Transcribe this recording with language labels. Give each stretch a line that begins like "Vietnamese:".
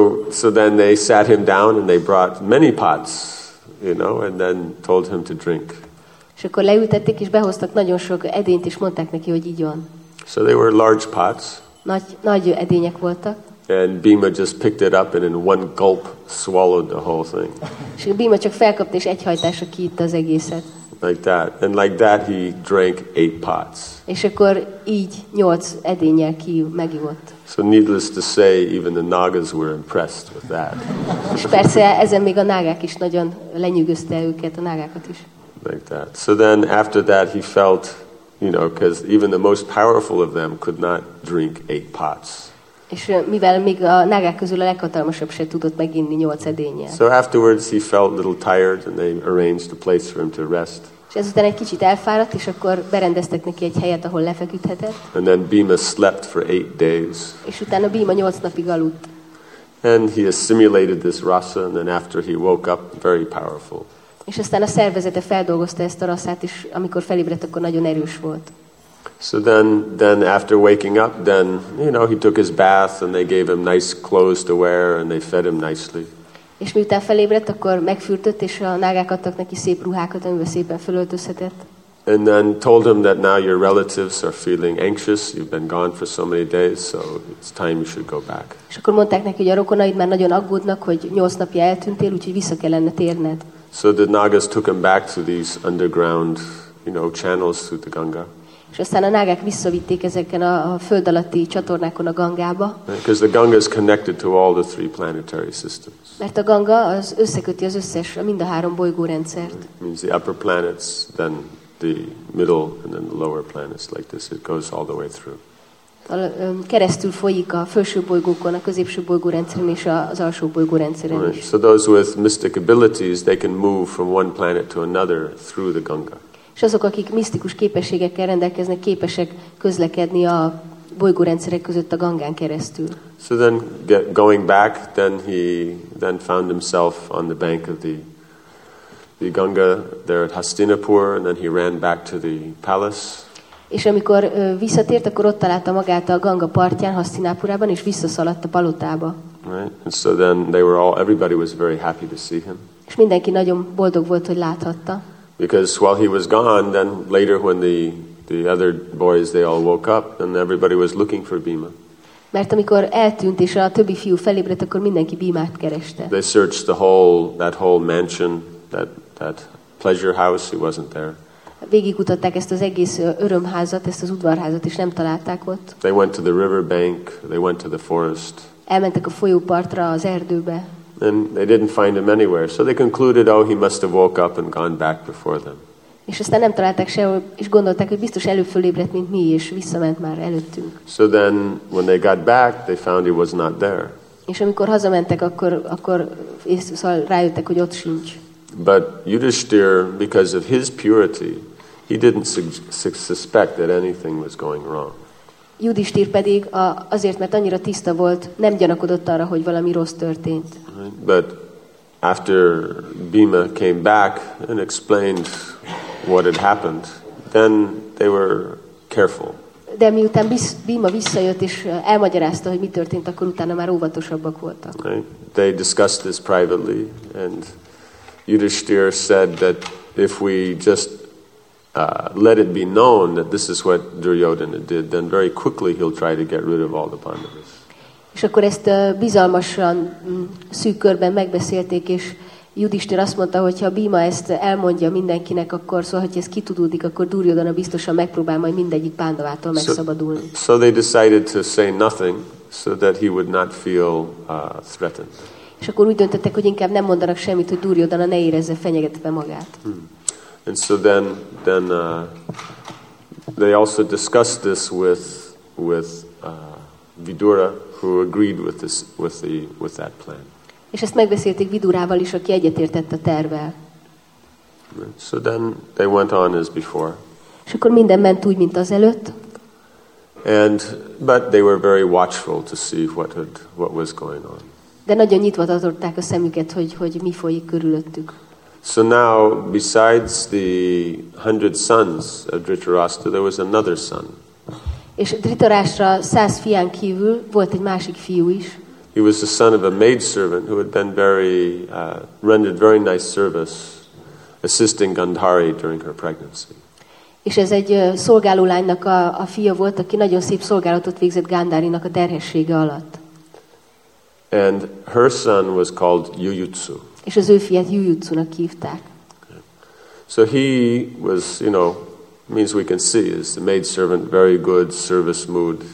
English: So then they sat him down and they brought many pots, you know, and then told him to drink.
Hungarian: És akkor leültették és behoztak nagyon sok edényt és mondták neki, hogy igyon.
English: So they were large pots.
Hungarian: Nagy edények voltak.
English: And Bhima just picked it up and in one gulp swallowed the whole thing.
Hungarian: És Bhima csak felkapta és egyhajtásra kiitta az egészet.
English: Like that, and like that, he drank 8 pots.
Hungarian: És akkor így 8 edénnyel ki megivott.
English: So needless to say, even the nagas were impressed with that.
Hungarian: És persze ezen még a nágák is nagyon lenyűgözte őket, a nágákat is.
English: Like that. So then, after that, he felt, you know, because even the most powerful of them could not drink 8 pots.
Hungarian: És mivel még a nágák közül a leghatalmasabb se tudott meginni 8 edénnyel.
English: So afterwards he felt a little tired and they arranged a place for him to rest.
Hungarian: És ezután egy kicsit elfáradt, és akkor berendeztek neki egy helyet, ahol lefeküdhetett.
English: And then Bhima slept for 8 days.
Hungarian: És utána Bhima 8 napig aludt.
English: And he assimilated this rasa and then after he woke up, very powerful.
Hungarian: És aztán a szervezete feldolgozta ezt a rasszát, és amikor felébredt, akkor nagyon erős volt.
English: So then after waking up, then, you know, he took his bath and they gave him nice clothes to wear and they fed him nicely.
Hungarian: És miután felébredt, akkor megfürdött és a nágák adtak neki szép ruhákat, amivel szépen felöltözhetett.
English: And then told him that now your relatives are feeling anxious. You've been gone for so many days, so it's time you should go back.
Hungarian: És akkor mondták neki, hogy a rokonaid már nagyon aggódnak, hogy 8 napja eltűntél, úgyhogy vissza kellene térned.
English: So the nagas took him back to these underground, you know, channels through the Ganga.
Hungarian: És aztán a nágák visszavitték ezeken a föld alatti csatornákon a Gangába.
English: Because the Ganga is connected to all the three planetary systems.
Hungarian: Mert a Ganga az összeköti az összes, mind a három bolygórendszert.
English: It means the upper planets, then the middle, and then the lower planets, like this. It goes all the way through.
Hungarian: Keresztül folyik a felső bolygókon, a középső bolygórendszeren és az alsó bolygórendszeren is.
English: So those with mystic abilities, they can move from one planet to another through the Ganga.
Hungarian: És azok, akik misztikus képességekkel rendelkeznek, képesek közlekedni a bolygórendszerek között a Gangán keresztül.
English: So then going back, then he then found himself on the bank of the Ganga there at Hastinapur, and then he ran back to the palace.
Hungarian: És amikor visszatért, akkor ott találta magát a Ganga partján, Hastinapurában, és visszaszaladt a palotába.
English: Right. And so then they were all, everybody was very happy to see him.
Hungarian: És mindenki nagyon boldog volt, hogy láthatta.
English: Because while he was gone, then later when the other boys, they all woke up, and everybody was looking for Bhima.
Hungarian: Mert amikor eltűnt, és a többi fiú felébredt, akkor mindenki Bhimát kereste.
English: They searched that whole mansion, that pleasure house, he wasn't there.
Hungarian: Végigutatták ezt az egész örömházat, ezt az udvarházat, és nem találták ott.
English: They went to the river bank, they went to the forest.
Hungarian: Elmentek a folyópartra, az erdőbe.
English: And they didn't find him anywhere. So they concluded, oh, he must have woke up and gone back before them.
Hungarian: És aztán nem találták sehol, és gondolták, hogy biztos előbb fölébredt, mint mi, és visszament már előttünk.
English: So then, when they got back, they found he was not there.
Hungarian: És amikor hazamentek, akkor szóval rájöttek, hogy ott sincs.
English: But Yudhishthir, because of his purity, he didn't suspect that anything was going wrong.
Hungarian: Yudhishthir pedig azért, mert annyira tiszta volt, nem gyanakodott arra, hogy valami rossz történt.
English: But after Bhima came back and explained what had happened, then they were careful.
Hungarian: De miután Bhima visszajött és elmagyarázta, hogy mi történt, akkor utána már óvatosabbak voltak.
English: They discussed this privately, and Yudhishthir said that if we just let it be known that this is what Duryodhana did, then very quickly he'll try to get rid of all the Pandavas.
Hungarian: És akkor ezt bizalmasan szűk körben megbeszélték, és Yudhishthira azt mondta, hogy ha Bhima ezt elmondja mindenkinek, akkor szóval, hogy ez kitudódik, akkor Duryodhana biztosan megpróbál majd mindegyik Pandavától megszabadulni.
English: So they decided to say nothing so that he would not feel threatened.
Hungarian: És akkor úgy döntöttek, hogy inkább nem mondanak semmit, hogy Duryodhana ne érezze fenyegetve magát.
English: And so then they also discussed this with Vidura, who agreed with this with that plan.
Hungarian: És ezt megbeszélték Vidurával is, aki egyetértett a tervvel.
English: So then they went on as before.
Hungarian: És akkor minden ment úgy, mint az előtt.
English: And but they were very watchful to see what was going on.
Hungarian: De nagyon nyitva tartották a szemüket, hogy mi folyik körülöttük.
English: So now, besides the 100 sons of Dhritarashtra, there was another son.
Hungarian: És Dhritarashtra 100 fián kívül volt egy másik fiú is.
English: He was the son of a maidservant who had been rendered very nice service, assisting Gandhari during her pregnancy.
Hungarian: És ez egy szolgáló lánynak a fia volt, aki nagyon szép szolgálatot végzett Gandharinak a terhessége alatt.
English: And her son was called Yuyutsu.
Hungarian: És az ő fiát Yuyutsunak hívták.
English: So he was, you know, means we can see, is the maid servant, very good service mood.